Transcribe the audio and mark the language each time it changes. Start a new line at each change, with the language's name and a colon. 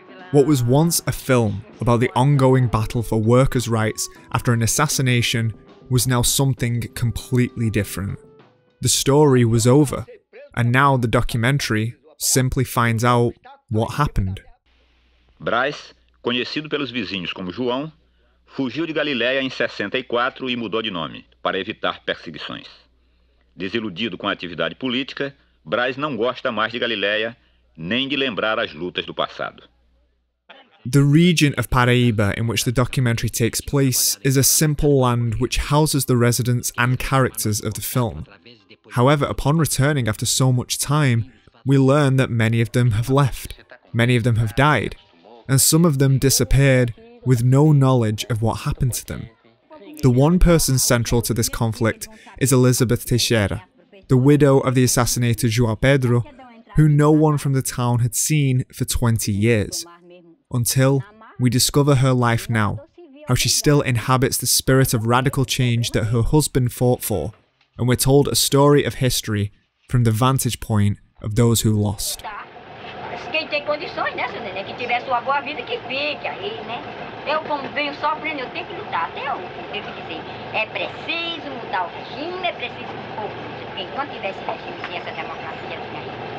English: What was once a film about the ongoing battle for workers' rights after an assassination was now something completely different. The story was over, and now the documentary simply finds out what happened.
Portuguese: Braz, conhecido pelos vizinhos como João, fugiu de Galiléia em 64 e mudou de nome para evitar perseguições. Desiludido com a atividade política, Braz não gosta mais de Galiléia nem de lembrar as lutas do passado.
English: The region of Paraíba in which the documentary takes place is a simple land which houses the residents and characters of the film. However, upon returning after so much time, we learn that many of them have left, many of them have died, and some of them disappeared with no knowledge of what happened to them. The one person central to this conflict is Elizabeth Teixeira, the widow of the assassinator João Pedro, who no one from the town had seen for 20 years. Until we discover her life now, how she still inhabits the spirit of radical change that her husband fought for, and we're told a story of history from the vantage point of those who lost.
Portuguese: Quem tem condições, né, seu neném, que tiver sua boa vida, que fique aí, né? Eu, como venho sofrendo, eu tenho que lutar, até eu tenho que dizer, é preciso mudar o regime, é preciso um pouco, porque enquanto tiver esse regime, sem essa democracia, assim, aí.